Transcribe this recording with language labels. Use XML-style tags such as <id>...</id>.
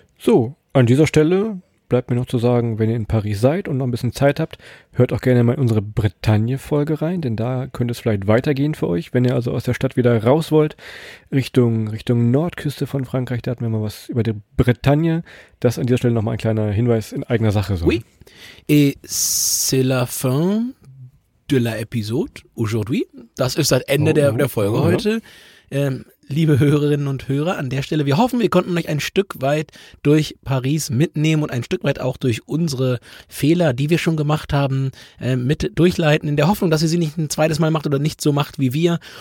<de>So, an dieser Stelle bleibt mir noch zu sagen, wenn ihr in Paris seid und noch ein bisschen Zeit habt, hört auch gerne mal in unsere Bretagne-Folge rein, denn da könnte es vielleicht weitergehen für euch, wenn ihr also aus der Stadt wieder raus wollt, Richtung Nordküste von Frankreich, da hatten wir mal was über die Bretagne. Das an dieser Stelle nochmal ein kleiner Hinweis in eigener Sache. So.</de> <fr>Oui, et c'est la fin de l'épisode aujourd'hui.</fr> <de>Das ist das Ende der Folge heute. Ja. Liebe Hörerinnen und Hörer, an der Stelle, wir hoffen, wir konnten euch ein Stück weit durch Paris mitnehmen und ein Stück weit auch durch unsere Fehler, die wir schon gemacht haben, mit durchleiten, in der Hoffnung, dass ihr sie nicht ein zweites Mal macht oder nicht so macht wie wir.</de>